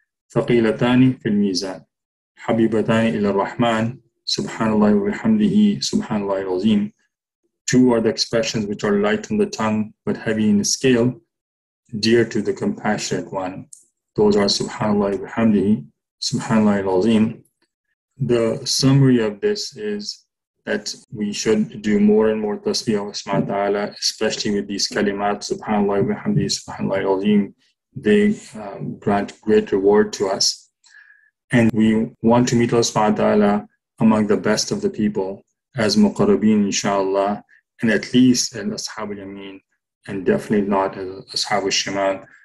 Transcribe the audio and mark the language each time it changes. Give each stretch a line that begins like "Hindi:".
Arabic: ثقيلتان في الميزان حبيبتان إلى الرحمن سبحان الله وبحمده سبحان الله العظيم.
English: Two are the expressions which are light on the tongue but heavy in the scale, dear to the compassionate one. Those are
Arabic: سبحان الله وبحمده سبحان الله العظيم.
English: The summary of this is that we should do more and more
Arabic: تسبيح الله سبحانه وتعالى,
English: especially with these
Arabic: كلمات سبحان الله وبحمده سبحان الله العظيم.
English: They grant great reward to us. And we want to meet Allah subhanahu wa ta'ala among the best of the people as muqarrabin, inshallah, and at least as ashab al-yamin, and definitely not as ashab al-shimal.